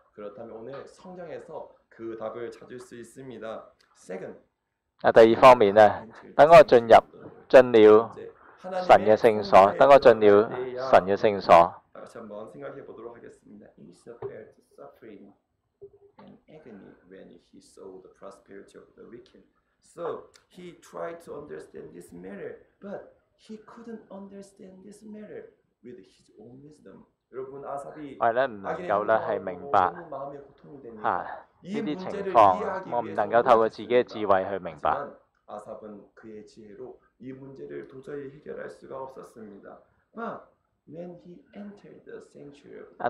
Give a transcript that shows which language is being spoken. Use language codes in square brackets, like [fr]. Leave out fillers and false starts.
[ko] 그렇다면오늘성경에서그답을찾을수있습니다 [en] Second， [yue] 啊，第二方面咧，等我进入进了神嘅圣所，等我进了神嘅圣所。 [ko] 다시한번생각해보도록하겠습니다 [en] He suffered suffering and agony when he saw the prosperity of the wicked. So he tried to understand this matter, but he couldn't understand this matter with his own wisdom. [ko] 여러분아삽이 [yue] 我咧唔能够咧系明白吓呢啲情况，我唔能够透过自己嘅智慧去明白。 [ko] 아삽은그의지혜로이문제를도저히해결할수가없었습니다 [en] But when he entered the sanctuary,